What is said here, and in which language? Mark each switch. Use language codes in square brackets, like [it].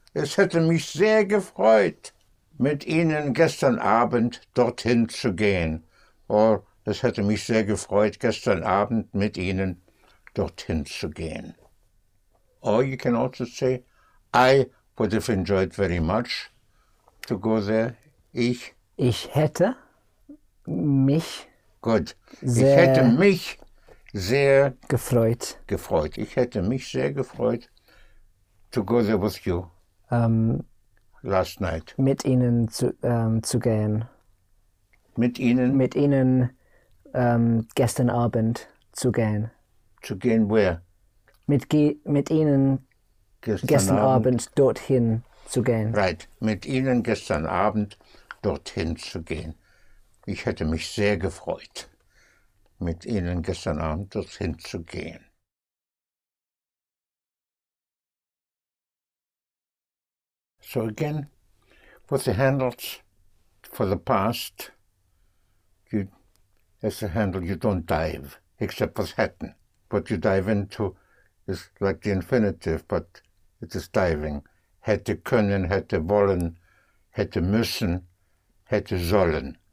[de] Es hätte mich sehr gefreut, mit Ihnen gestern Abend dorthin zu gehen. Or es hätte mich sehr gefreut, gestern Abend mit Ihnen dorthin zu gehen. [en] Or you can also say, I would have enjoyed very much to go there. [de] Ich hätte mich. Good. Ich hätte mich. sehr gefreut. Gefreut. Ich hätte mich sehr gefreut [en] to go there with you last night. [de] Mit Ihnen zu gehen. Mit Ihnen? Mit Ihnen gestern Abend zu gehen. Zu gehen where? Mit Ihnen gestern Abend dorthin zu gehen. Right. Mit Ihnen gestern Abend dorthin zu gehen. Ich hätte mich sehr gefreut, mit Ihnen gestern Abend dorthin zu gehen. [en] So again, with the handles for the past, you, as a handle, you don't dive, except for Hatton. What you dive into is like the infinitive, but it is diving. [de] Hätte können, hätte wollen, hätte müssen, hätte sollen.